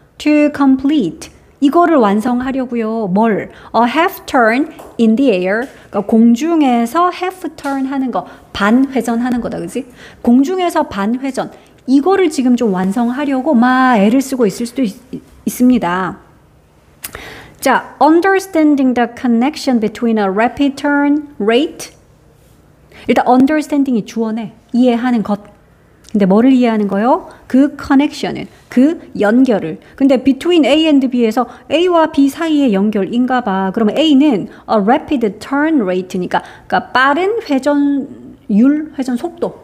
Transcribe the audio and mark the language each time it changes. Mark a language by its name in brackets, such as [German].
[English] to complete. [Korean] 이거를 완성하려고요. 뭘? [English] A half turn in the air. [Korean] 그러니까 공중에서 half turn 하는 거. 반회전하는 거다, 그지? 공중에서 반회전. 이거를 지금 좀 완성하려고 막 애를 쓰고 있을 수도 있습니다. [English] 자, understanding the connection between a rapid turn rate. [Korean] 일단 understanding이 주어네. 이해하는 것. 근데 뭐를 이해하는 거요? 그 커넥션을, 그 연결을. 근데 [English] between A and B [Korean] 에서 A와 B 사이의 연결인가 봐. 그러면 A는 [English] a rapid turn rate [Korean] 니까, 그러니까 빠른 회전율, 회전 속도.